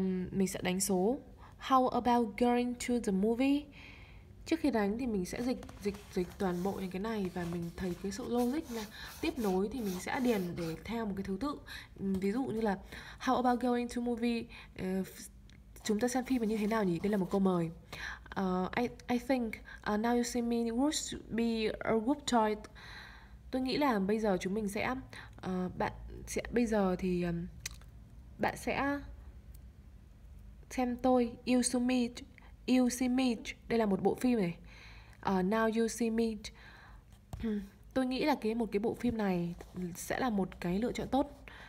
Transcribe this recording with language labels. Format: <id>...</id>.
<vi>Mình sẽ đánh số</vi> <en>How about going to the movie?</en> <vi>Trước khi đánh thì mình sẽ dịch dịch dịch toàn bộ những cái này và mình thấy cái sự logic là tiếp nối thì mình sẽ điền để theo một cái thứ tự. Ví dụ như là</vi> <en>How about going to movie?</en> <vi>Chúng ta xem phim như thế nào nhỉ? Đây là một câu mời.</vi> <en>I think now you see me would be a good choice.</en> <vi>Tôi nghĩ là bây giờ chúng mình sẽ bạn sẽ bây giờ thì bạn sẽ xem tôi, you see me. You see me, đây là một bộ phim này. Now you see me. Tôi nghĩ là cái một cái bộ phim này sẽ là một cái lựa chọn tốt.</vi>